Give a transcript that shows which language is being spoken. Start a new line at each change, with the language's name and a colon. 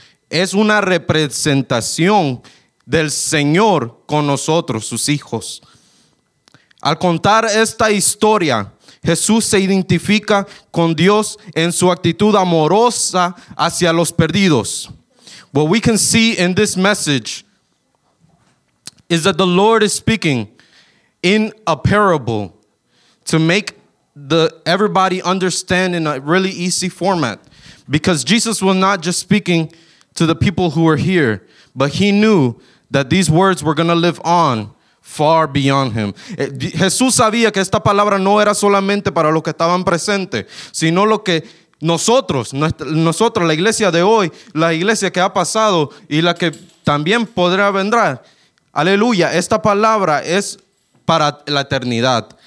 Spanish: Es una representación del Señor con nosotros, sus hijos. Al contar esta historia, Jesús se identifica con Dios en su actitud amorosa hacia los perdidos.
English: What we can see in this message is that the Lord is speaking in a parable to make everybody understand in a really easy format. Because Jesus was not just speaking to the people who were here, but he knew that these words were going to live on far beyond him.
Spanish: Jesús sabía que esta palabra no era solamente para los que estaban presentes, sino lo que nosotros, la iglesia de hoy, la iglesia que ha pasado y la que también podrá vendrá. Aleluya, esta palabra es para la eternidad.